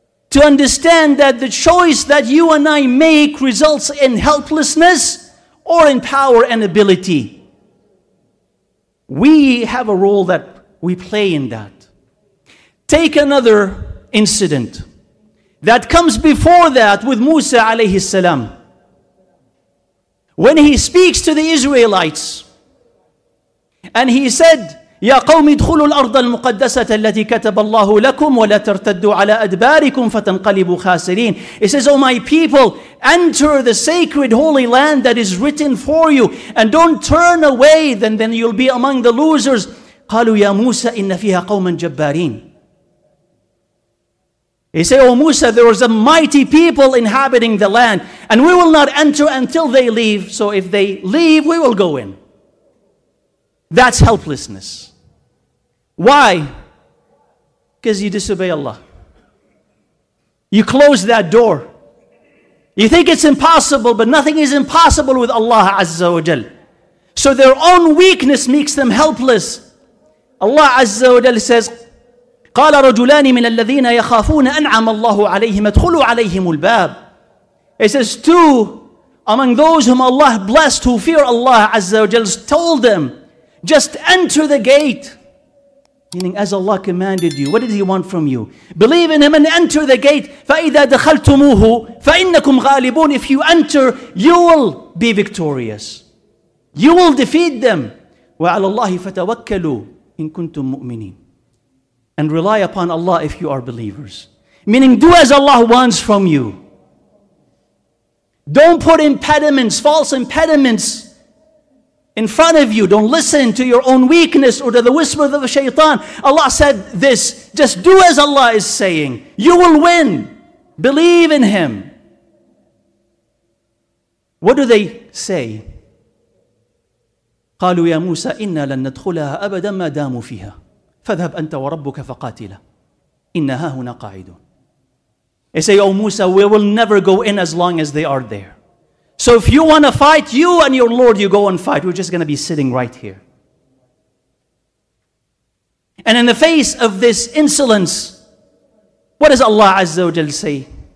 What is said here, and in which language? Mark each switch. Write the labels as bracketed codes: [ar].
[en] To understand that the choice that you and I make results in helplessness or in power and ability. We have a role that we play in that. Take another incident that comes before that with Musa alayhi salam. When he speaks to the Israelites, and he said, [ar] يَا قَوْمِ ادْخُلُوا الْأَرْضَ الْمُقَدَّسَةَ الَّتِي كَتَبَ اللَّهُ لَكُمْ وَلَا تَرْتَدُّوا عَلَىٰ أَدْبَارِكُمْ فَتَنْقَلِبُوا خَاسِرِينَ. [en] It says, O my people, enter the sacred holy land that is written for you, and don't turn away, then you'll be among the losers. [ar] قَالُوا يَا مُوسَى إِنَّ فِيهَا قَوْمًا جَبَّارِينَ. [en] He said, O Musa, there is a mighty people inhabiting the land, and we will not enter until they leave, so if they leave, we will go in. That's helplessness. Why? Because you disobey Allah. You close that door. You think it's impossible, but nothing is impossible with Allah Azza wa Jal. So their own weakness makes them helpless. Allah Azza wa Jalla says, [ar] قال رجلان من الذين يخافون أنعم الله عليهم ادخلوا عليهم الباب. [en] It says, two among those whom Allah blessed who fear Allah Azza wa Jalla told them, just enter the gate. Meaning, as Allah commanded you, what did He want from you? Believe in Him and enter the gate. [ar] فَإِذَا دَخَلْتُمُوهُ فَإِنَّكُمْ غَالِبُونَ [en] If you enter, you will be victorious. You will defeat them. [ar] وَعَلَى اللَّهِ فَتَوَكَّلُوا إِن كُنْتُم مُؤْمِنِينَ [en] And rely upon Allah if you are believers. Meaning, do as Allah wants from you. Don't put impediments, false impediments, in front of you. Don't listen to your own weakness or to the whispers of the shaitan. Allah said this. Just do as Allah is saying. You will win. Believe in Him. What do they say? [ar] قالوا يا موسى إنا لن ندخلها أبدا ما داموا فيها فذهب أنت وربك فقاتلا إن هاهنا قاعدون. [en] They say, oh Musa, we will never go in as long as they are there. So if you want to fight, you and your Lord, you go and fight. We're just going to be sitting right here. And in the face of this insolence, what does Allah Azza wa Jal say?